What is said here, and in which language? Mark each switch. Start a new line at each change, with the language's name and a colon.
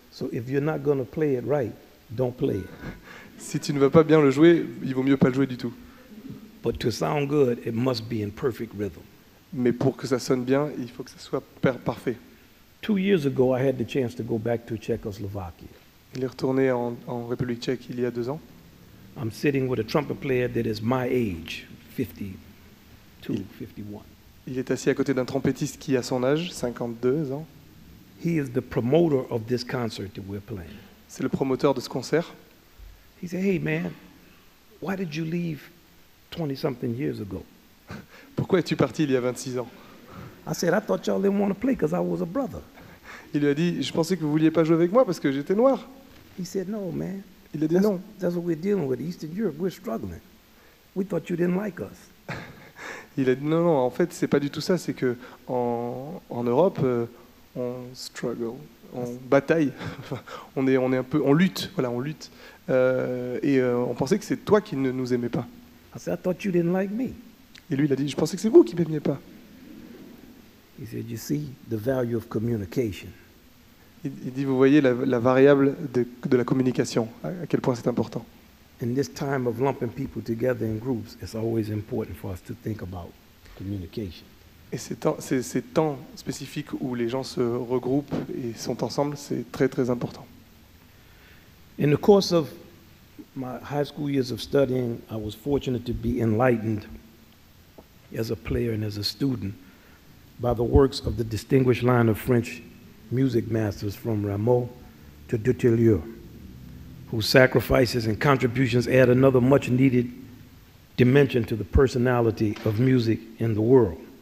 English: So if you're not going to play it right, don't play it.
French: Si tu ne vas pas bien le jouer, il vaut mieux pas le jouer du tout.
English: But to sound good, it must be in perfect rhythm.
French: Mais pour que ça sonne bien, il faut que ça soit parfait.
English: 2 years ago, I had the chance to go back to Czechoslovakia.
French: Il est retourné en République tchèque il y a 2 ans.
English: I'm sitting with a trumpet player that is my age, 52, 51.
French: Il est assis à côté d'un trompettiste qui a son âge, 52 ans.
English: He is the promoter of this concert that we're playing.
French: C'est le promoteur de ce concert.
English: He said, "Hey man, why did you leave 20 something years ago?"
French: Pourquoi es-tu parti il y a 26 ans?
English: I said, "I thought y'all didn't want to play because I was a brother."
French: Il lui a dit, "Je pensais que vous vouliez pas jouer avec moi parce que j'étais noir."
English: He said, "No, man."
French: Il a dit, "Non."
English: That's what we're dealing with. Eastern Europe, we're struggling. We thought you didn't like us.
French: Il a dit, "Non, en fait, c'est pas du tout ça. C'est que en Europe, on struggle, on bataille. on lutte. On pensait que c'est toi qui ne nous aimais pas."
English: I said, "I thought you didn't like me."
French: Et lui, il a dit, "Je pensais que c'est vous qui m'aimiez pas."
English: He said, "You see the value of communication."
French: Il dit, vous voyez la variable de la communication, à quel point c'est important.
English: In this time of lumping people together in groups, it's always important for us to think about communication.
French: Et ces temps spécifiques où les gens se regroupent et sont ensemble, c'est très très important.
English: In the course of my high school years of studying, I was fortunate to be enlightened as a player and as a student by the works of the distinguished line of French music masters from Rameau to Dutilleux, whose sacrifices and contributions add another much needed dimension to the personality of music in the world.